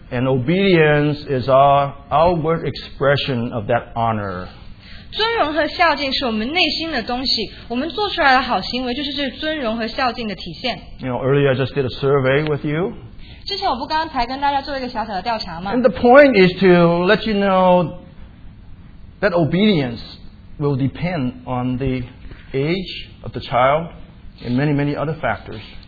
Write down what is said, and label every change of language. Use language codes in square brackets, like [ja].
[en] And obedience is our outward expression of that honor. [zh] 尊荣和孝敬是我们内心的东西，我们做出来的好行为就是这尊荣和孝敬的体现。 [en] You know, earlier I just did a survey with you. [zh] 之前我不刚才跟大家做一个小小的调查吗？ [en] And the point is to let you know that obedience will depend on the age of the child and many, many other factors.